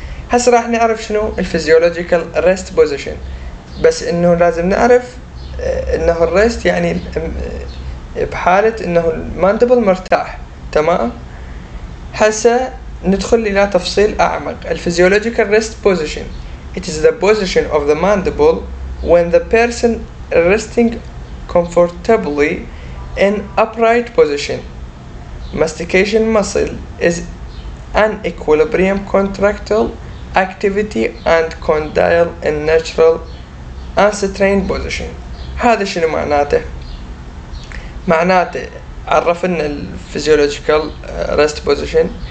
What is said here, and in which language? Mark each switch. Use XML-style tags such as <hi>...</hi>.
<ar>هسه راح نعرف شنو physiological rest position، بس انه لازم نعرف انه الرست يعني بحالة انه المانديبل مرتاح، تمام؟ هسه ندخل الى تفصيل اعمق.</ar> <en>physiological rest position it is the position of the mandible when the person resting comfortably in upright position. Mastication muscle is an equilibrium contractile activity and condyle in natural unstrained position.</en> <ar>هذا شنو معناته؟ معناته عرفنا ال physiological rest position.</ar>